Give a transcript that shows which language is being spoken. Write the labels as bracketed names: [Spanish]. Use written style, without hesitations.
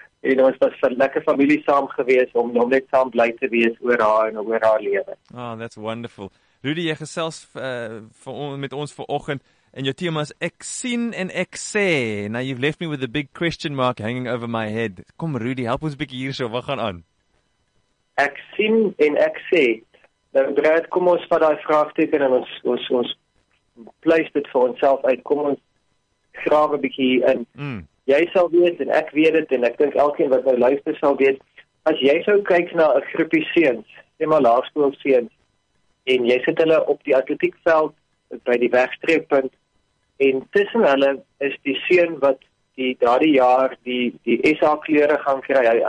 [Afrikaans] En ons was 'n lekker familie saam gewees om net saam bly te wees oor haar en oor haar lewe. [English] Oh, that's wonderful. [Afrikaans] Rudy, jy gesels met ons vanoggend en jou tema is ek sien en ek sê. [English] Now you've left me with a big question mark hanging over my head. [Afrikaans] Kom Rudy, help ons 'n bietjie hierso. Wat gaan aan? Ek sien en ek sê. Dan breed kom ons vat daai vraagteken en ons pleis dit vir onsself uit. Kom ons grawe 'n bietjie in. Mm. Jy sal weet en ek weet dit en ek dink elkeen wat nou luister sal weet, as jy sou kyk na 'n groepie seuns, sê maar laerskoolseuns, en jy sit hulle op die atletiekveld by die wegstreeppunt en tussen hulle is die seun wat die daardie jaar die SA kleure gaan kry.